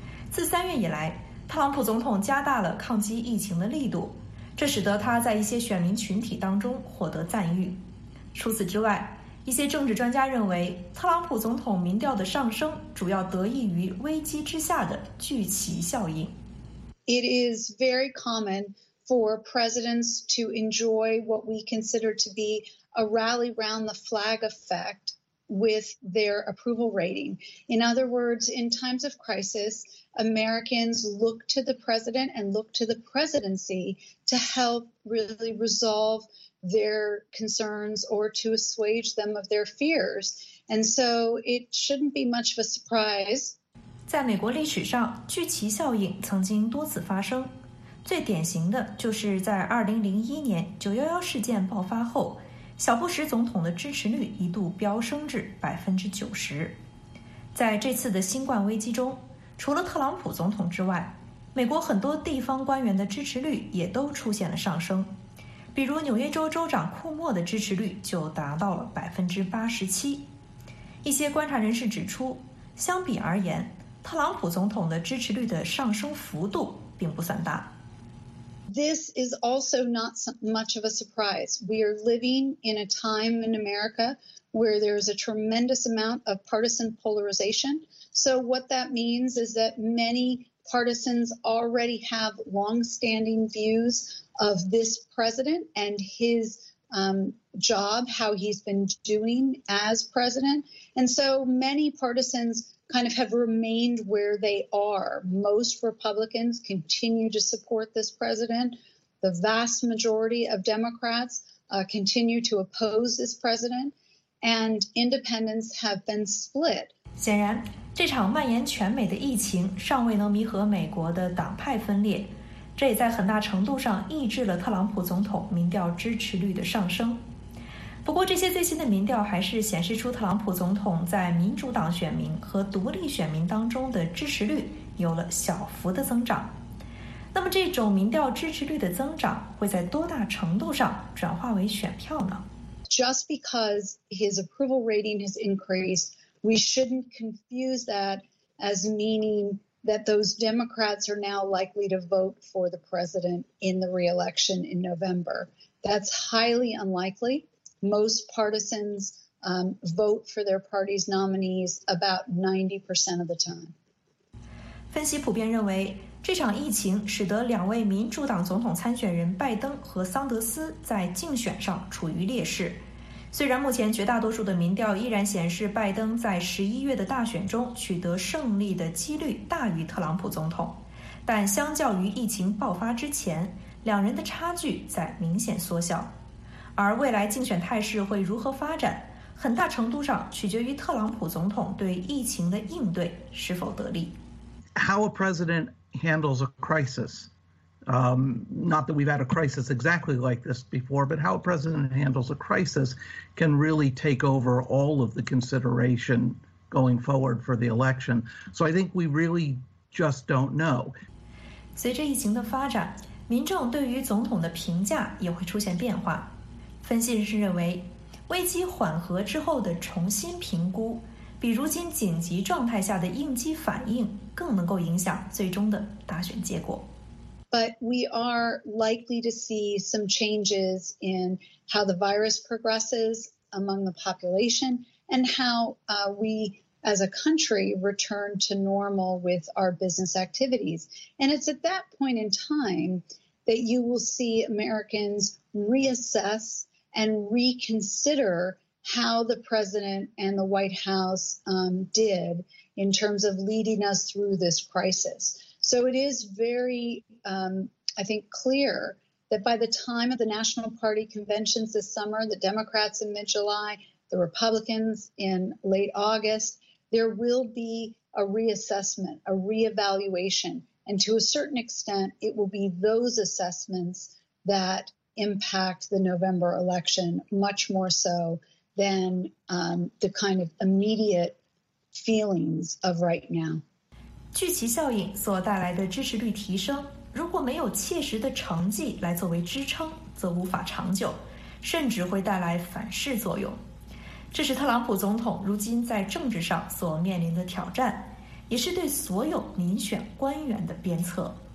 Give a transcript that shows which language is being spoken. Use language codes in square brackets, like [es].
[zh] 自3月以来，特朗普总统加大了抗击疫情的力度，这使得他在一些选民群体当中获得赞誉。除此之外，一些政治专家认为，特朗普总统民调的上升主要得益于危机之下的聚集效应。 [en] It is very common for presidents to enjoy what we consider to be a rally round the flag effect with their approval rating. In other words, in times of crisis, Americans look to the president and look to the presidency to help really resolve their concerns or to assuage them of their fears. And so it shouldn't be much of a surprise. [zh] 在美国历史上，聚集效应曾经多次发生，最典型的就是在2001年9/11事件爆发后，小布什总统的支持率一度飙升至90%。在这次的新冠危机中，除了特朗普总统之外，美国很多地方官员的支持率也都出现了上升。比如纽约州州长库莫的支持率就达到了87%。一些观察人士指出，相比而言，特朗普总统的支持率的上升幅度并不算大。 [en] This is also not much of a surprise. We are living in a time in America where there is a tremendous amount of partisan polarization. So what that means is that many partisans already have long-standing views of this president and his job, how he's been doing as president. And so many partisans kind of have remained where they are. Most Republicans continue to support this president. The vast majority of Democrats continue to oppose this president. And independents have been split. [zh] 显然，这场蔓延全美的疫情尚未能弥合美国的党派分裂，这也在很大程度上抑制了特朗普总统民调支持率的上升。不过，这些最新的民调还是显示出特朗普总统在民主党选民和独立选民当中的支持率有了小幅的增长。那么，这种民调支持率的增长会在多大程度上转化为选票呢？ [en] Just because his approval rating has increased, we shouldn't confuse that as meaning that those Democrats are now likely to vote for the president in the re-election in November. That's highly unlikely. Most partisans vote for their party's nominees about 90% of the time. [zh] 分析普遍认为，这场疫情使得两位民主党总统参选人拜登和桑德斯在竞选上处于劣势。虽然目前绝大多数的民调依然显示拜登在11月的大选中取得胜利的几率大于特朗普总统，但相较于疫情爆发之前，两人的差距在明显缩小。而未来竞选态势会如何发展，很大程度上取决于特朗普总统对疫情的应对是否得力。 [en] How a president handles a crisis, not that we've had a crisis exactly like this before, but how a president handles a crisis can really take over all of the consideration going forward for the election. So I think we really just don't know. [zh] 随着疫情的发展，民众对于总统的评价也会出现变化。分析人士认为，危机缓和之后的重新评估，比如今紧急状态下的应激反应更能够影响最终的大选结果。 [en] But we are likely to see some changes in how the virus progresses among the population and how we as a country return to normal with our business activities. And it's at that point in time that you will see Americans reassess and reconsider how the president and the White House did in terms of leading us through this crisis. So it is very, I think, clear that by the time of the National Party conventions this summer, the Democrats in mid-July, the Republicans in late August, there will be a reassessment, a reevaluation. And to a certain extent, it will be those assessments that impact the November election much more so than the kind of immediate feelings of right now. [zh] 聚集效应所带来的支持率提升，如果没有切实的成绩来作为支撑，则无法长久，甚至会带来反噬作用。这是特朗普总统如今在政治上所面临的挑战，也是对所有民选官员的鞭策。